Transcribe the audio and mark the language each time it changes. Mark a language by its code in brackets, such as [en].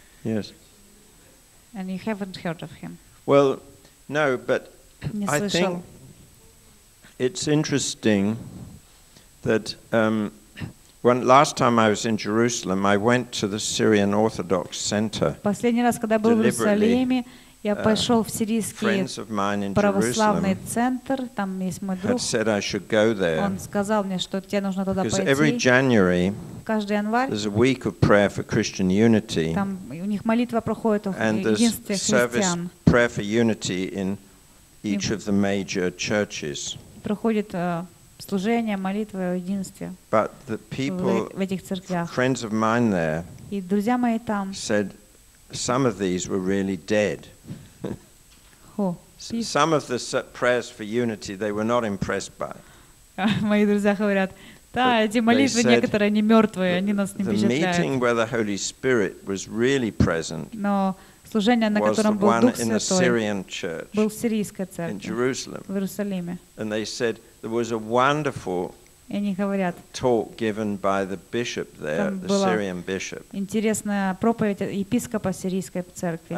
[en] Yes. And you haven't heard of him. Well, no, but I think it's interesting that when last time I was in Jerusalem, I went to the Syrian Orthodox Center. [ru] Последний раз, когда был в Иерусалиме, я пошел в сирийский православный центр. Там есть мой друг. [en] Said I should go there. [ru] Он сказал мне, что тебе нужно туда пойти. [en] Because every January. [ru] Каждый январь. [en] There's a week of prayer for Christian unity. [ru] Там у них молитва проходит о единстве христиан. [en] Prayer for unity in each of the major churches. [ru] Проходит служение, молитва о единстве. [en] But the people, [ru] в этих церквях. [en] Friends of mine there. [ru] И друзья мои там. [en] Said some of these were really dead. Some of the prayers for unity they were not impressed by. [ru] Мои друзья говорят. Да, эти молитвы некоторые не мертвые, они нас не впечатляют. [en] Really [ru] но служение, на котором был Дух Святой, был в сирийской церкви, в Иерусалиме. [en] And they said there was a wonderful talk given by the bishop there, the Syrian bishop. [ru] Интересная проповедь епископа сирийской церкви.